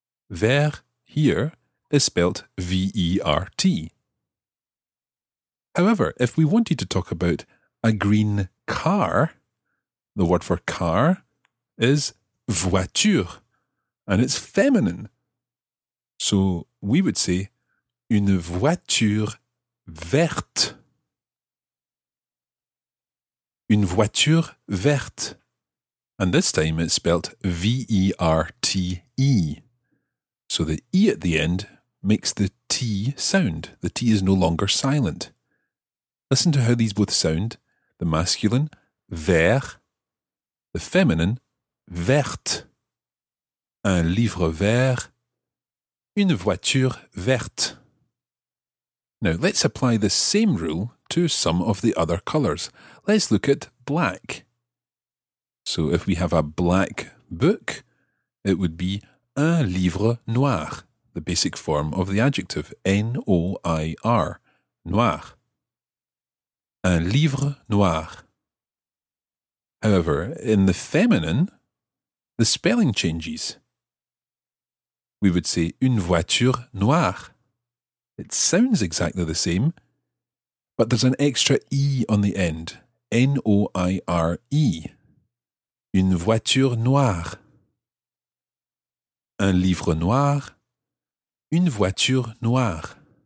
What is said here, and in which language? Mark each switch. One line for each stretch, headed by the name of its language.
English: Vert, here, is spelt V-E-R-T. However, if we wanted to talk about a green car, the word for car is voiture. And it's feminine. So we would say,
French: une voiture verte. Une voiture verte.
English: And this time it's spelt V-E-R-T-E. So the E at the end makes the T sound. The T is no longer silent. Listen to how these both sound. The masculine, vert. The feminine, verte.
French: Un livre vert. Une voiture verte.
English: Now, let's apply the same rule to some of the other colours. Let's look at black. So if we have a black book, it would be
French: un livre noir,
English: the basic form of the adjective, N-O-I-R, noir.
French: Un livre noir.
English: However, in the feminine, the spelling changes. We would say
French: une voiture noire.
English: It sounds exactly the same, but there's an extra E on the end, N-O-I-R-E.
French: Une voiture noire. Un livre noir. Une voiture noire.